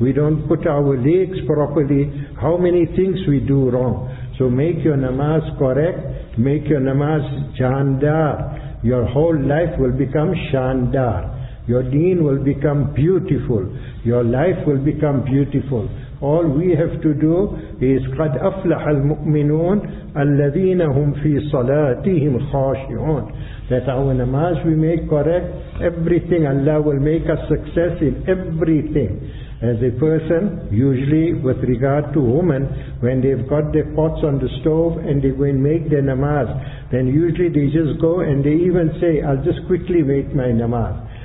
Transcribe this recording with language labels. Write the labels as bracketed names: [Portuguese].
[English] We don't put our legs properly. How many things we do wrong? So make your namaz correct. Make your namaz jandar. Your whole life will become shandar. Your deen will become beautiful. Your life will become beautiful. All we have to do is [Arabic] قَدْ أَفْلَحَ الْمُؤْمِنُونَ الَّذِينَ هُمْ فِي صَلَاتِهِمْ خَاشِعُونَ. [English] That our namaz we make correct, everything Allah will make us success in everything. as a person, usually with regard to women, when they've got their pots on the stove and they go and make their namaz, then usually they just go and they even say, I'll just quickly make my namaz.